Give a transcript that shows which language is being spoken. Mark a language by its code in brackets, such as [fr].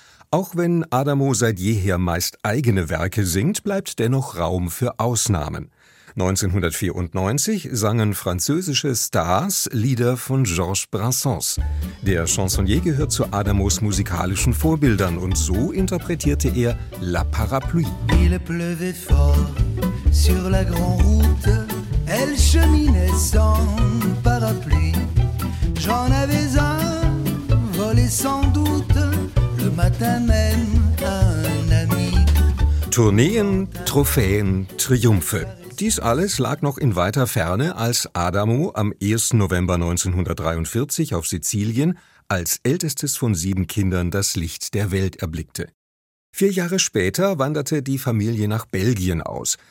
[de] Auch wenn Adamo seit jeher meist eigene Werke singt, bleibt dennoch Raum für Ausnahmen. 1994 sangen französische Stars Lieder von Georges Brassens. Der Chansonnier gehört zu Adamos musikalischen Vorbildern und so interpretierte er La Parapluie. [fr] Il pleuvait fort sur la grande route, elle cheminait sans parapluie. J'en avais un, volé sans doute, le matin même à un ami. [de] Tourneen, Trophäen, Triumphe. Dies alles lag noch in weiter Ferne, als Adamo am 1. November 1943 auf Sizilien als ältestes von 7 Kindern das Licht der Welt erblickte. 4 Jahre später wanderte die Familie nach Belgien aus.